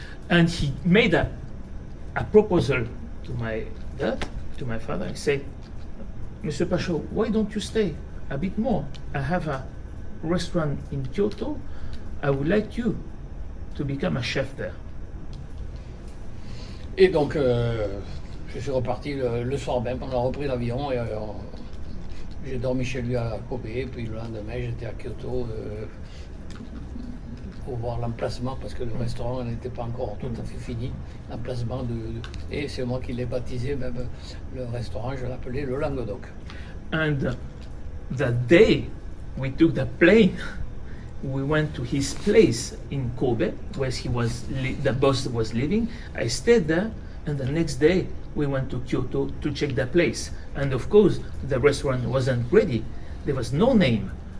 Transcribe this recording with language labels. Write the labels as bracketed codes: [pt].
[en] And he made a proposal to my dad, to my father. He said, "Mr. Pachot, why don't you stay a bit more? I have a restaurant in Kyoto. I would like you to become a chef there." [fr] Et donc, je suis reparti le soir même. On a repris l'avion et j'ai dormi chez lui à Kobe. Puis le lendemain, j'étais à Kyoto. Pour voir l'emplacement, parce que le restaurant n'était pas encore tout à fait fini, l'emplacement et c'est moi qui l'ai baptisé, même le restaurant, je l'appelais le Languedoc. [en] And the day we took the plane, we went to his place in Kobe, where the boss was living. I stayed there, and the next day we went to Kyoto to check the place. And of course, the restaurant wasn't ready. There was no name.